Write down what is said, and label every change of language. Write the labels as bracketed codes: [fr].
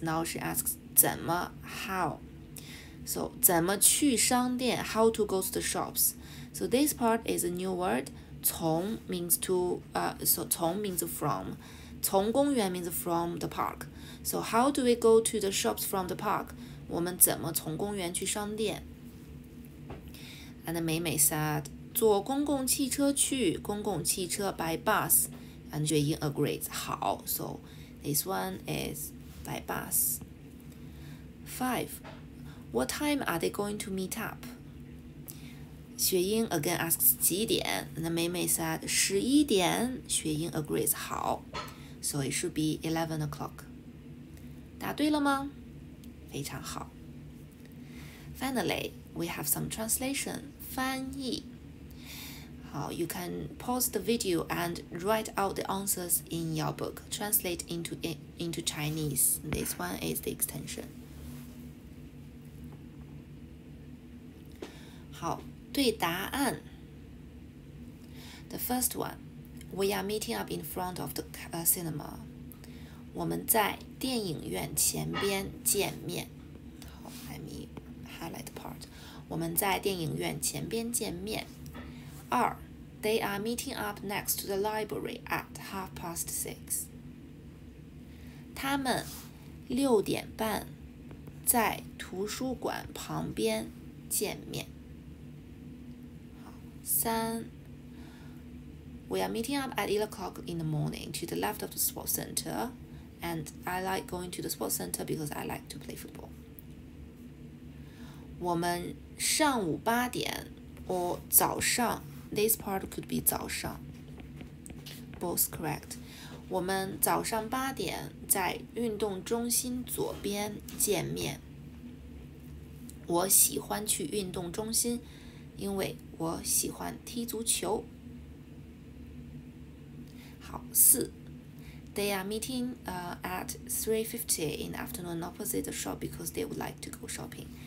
[en] Now she asks, 怎么, how? So, [zh] 怎么去商店, [en] how to go to the shops? So, this part is a new word. 从 means to, so 从 means from, 从公园 means from the park. So how do we go to the shops from the park? [zh] 我们怎么从公园去商店? [en] And 美美 said, [zh] 坐公共汽车去, [en] 公共汽车 by bus. And 雪英 agrees, 好, so this one is by bus. 5. What time are they going to meet up? 雪英 again asks [zh] 几点? [en] And Mei Mei said 11:00. 雪英 agrees 好。So it should be 11 o'clock. [zh] 答对了吗?非常好。 [en] Finally, we have some translation. 翻译。好, you can pause the video and write out the answers in your book. Translate into Chinese. This one is the extension. [zh] 好。对答案 [en] The first one, we are meeting up in front of the cinema. [zh] 我们在电影院前边见面。 [en] 好, let me highlight the part. [zh] 我们在电影院前边见面。 [en] 二, they are meeting up next to the library at 6:30. [zh] 他们6:30在图书馆旁边见面。 [en] 三, we are meeting up at 8 o'clock in the morning to the left of the sports center, and I like going to the sports center because I like to play football. [zh] 我们上午八点 [en] or 早上, this part could be 早上, both correct. [zh] 我们早上八点在运动中心左边见面。我喜欢去运动中心，因为我喜欢踢足球。好，四。 [en] They are meeting at 3:50 in the afternoon opposite the shop because they would like to go shopping.